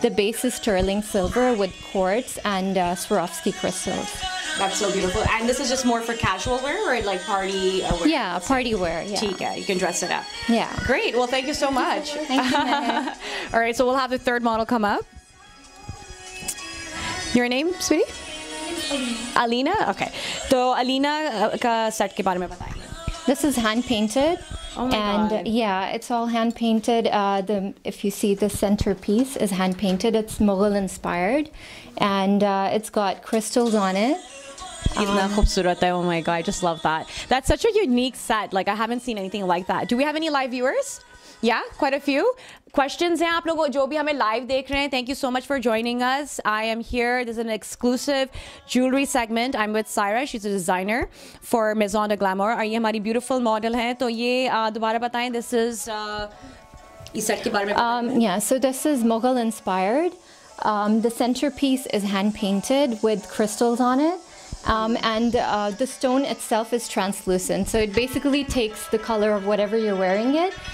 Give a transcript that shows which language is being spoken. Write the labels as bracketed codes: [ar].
[en] The base is sterling silver with quartz and Swarovski crystals. That's so beautiful. And this is just more for casual wear or like party wear? Yeah, party wear. Yeah. Tika, you can dress it up. Yeah. Great. Well, thank you so much. Thank you. All right, so we'll have the third model come up. Your name, sweetie? Alina? Okay. [ur] سو، الینا کا set کے بارے میں بتائے۔ [en] This is hand painted. Oh my and God. Yeah, it's all hand painted. If you see the centerpiece is hand painted, it's Mughal inspired. And it's got crystals on it. Oh my God, I just love that. That's such a unique set. Like, I haven't seen anything like that. Do we have any live viewers? Yeah, quite a few questions. [ur] ہیں آپ لوگو جو بھی ہمیں live دیکھ رہے ہیں، [en] thank you so much for joining us. I am here. This is an exclusive jewelry segment. I'm with Syrah. She's a designer for Maison de Glamour. [ur] اور یہ ہماری beautiful model ہے۔ تو یہ دوبارہ بتائیں۔ [en] This is [ur] is set ke baare mein bataein. [en] Yeah, so this is Mughal inspired. The centerpiece is hand painted with crystals on it. The stone itself is translucent, so it basically takes the color of whatever you're wearing it.